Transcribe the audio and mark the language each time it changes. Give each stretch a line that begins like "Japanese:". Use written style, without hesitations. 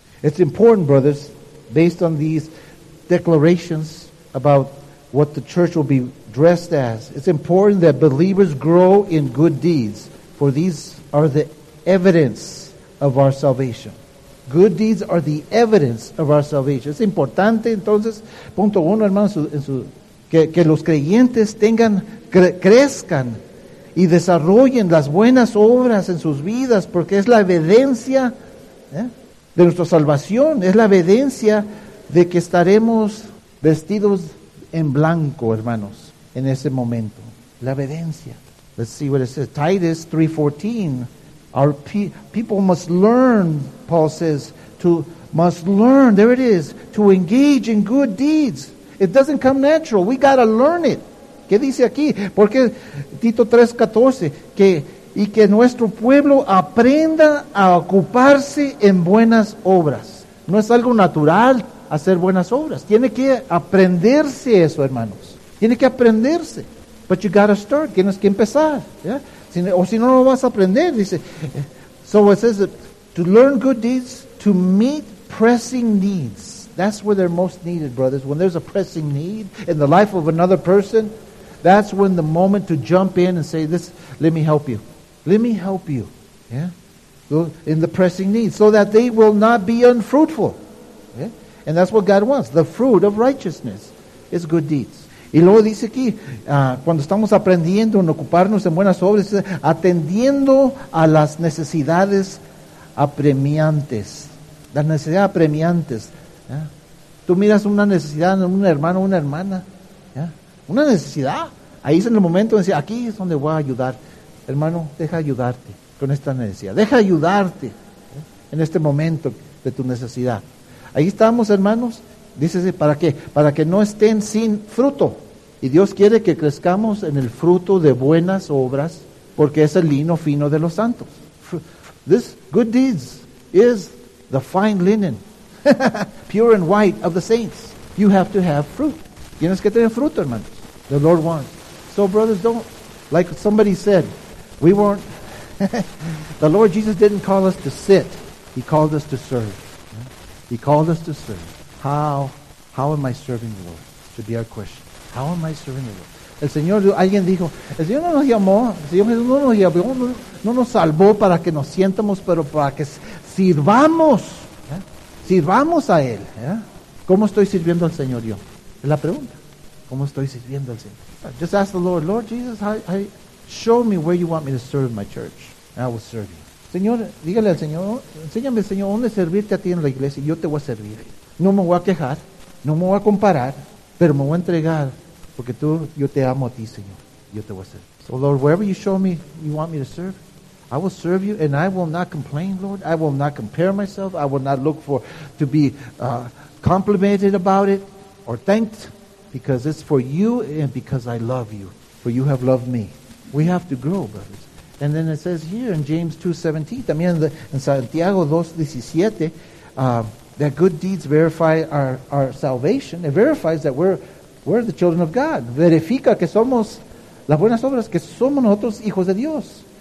English: It's important, brothers, based on these declarations about what the church will be dressed as. It's important that believers grow in good deeds, for these are the evidence of our salvation. Good deeds are the evidence of our salvation.
Spanish: Es importante, entonces, punto uno, hermanos, que los creyentes tengan, crezcan y desarrollen las buenas obras en sus vidas, porque es la evidencia de nuestra salvación, es la evidencia de que estaremos vestidos en blanco, hermanos, en ese momento. La evidencia.
English: Let's see what it says. Titus 3:14. Our people must learn, Paul says, to engage in good deeds. It doesn't come natural. We got to learn it.
Spanish: ¿Qué dice aquí? Porque Tito 3:14, que nuestro pueblo aprenda a ocuparse en buenas obras. No es algo natural hacer buenas obras. Tiene que aprenderse eso, hermanos. Tiene que aprenderse.
English: But you got to start.
Spanish: Tienes que empezar. ¿Ya? O si no, no vas a aprender, dice.
English: So it says that to learn good deeds, to meet pressing needs. That's where they're most needed, brothers. When there's a pressing need in the life of another person, that's when the moment to jump in and say, "This, let me help you. Let me help you." Yeah? In the pressing need, so that they will not be unfruitful. Yeah? And that's what God wants. The fruit of righteousness is good deeds.
Spanish: Y luego dice aquí, cuando estamos aprendiendo en ocuparnos en buenas obras, atendiendo a las necesidades apremiantes. Las necesidades apremiantes. ¿Ya? Tú miras una necesidad en un hermano o una hermana. ¿Ya? Una necesidad. Ahí es en el momento de decir, aquí es donde voy a ayudar. Hermano, deja ayudarte con esta necesidad. Deja ayudarte, ¿ya?, en este momento de tu necesidad. Ahí estamos, hermanos. Dice, ¿para qué? Para que no estén sin fruto. Y Dios quiere que crezcamos en el fruto de buenas obras, porque es el lino fino de los santos.
English: This good deeds is the fine linen, pure and white of the saints. You have to have fruit.
Spanish: Tienes que tener fruto, hermanos.
English: The Lord wants. So, brothers, don't, like somebody said, we weren't, the Lord Jesus didn't call us to sit. He called us to serve. He called us to serve. How am I serving the Lord? Should be our question. How am I serving the Lord?
Spanish: El Señor, alguien dijo, el Señor no nos llamó, el Señor Jesús no nos llamó, no nos salvó para que nos sientamos, pero para que sirvamos. Sirvamos a Él. ¿Cómo estoy sirviendo al Señor yo? Es la pregunta. ¿Cómo estoy sirviendo al Señor?
English: Just ask the Lord, Lord Jesus, show me where you want me to serve my church. And I will serve you.
Spanish: Señor, dígale al Señor, enséñame, Señor, dónde servirte a ti en la iglesia y yo te voy a servir. No me voy a quejar, no me voy a comparar, pero me voy a entregar, porque tú, yo te amo a ti, Señor. Yo te voy a servir.
English: So, Lord, wherever you show me you want me to serve, I will serve you, and I will not complain, Lord. I will not compare myself. I will not look for to be complimented about it or thanked, because it's for you and because I love you, for you have loved me. We have to grow, brothers. And then it says here in James 2:17,
Spanish: también en Santiago 2:17,
English: that good deeds verify our salvation. It verifies that we're the children of God.
Spanish: Verifica que somos las buenas obras, que somos nosotros hijos de Dios.